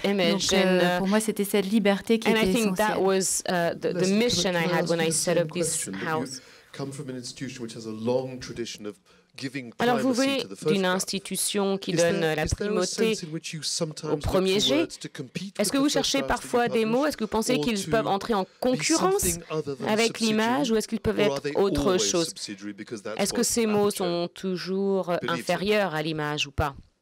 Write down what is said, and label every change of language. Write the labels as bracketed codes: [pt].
[fr] Donc, pour moi, c'était cette liberté qui était essentielle. [en] And I think that was the mission I had when I set up this house. Come from an institution which has a long tradition of giving primacy. [fr] Alors, vous venez d'une institution qui donne la primauté au premier jet. Est-ce que vous cherchez parfois des mots? Est-ce que vous pensez qu'ils peuvent entrer en concurrence avec l'image ou est-ce qu'ils peuvent être autre chose? Est-ce que ces mots sont toujours inférieurs à l'image ou pas?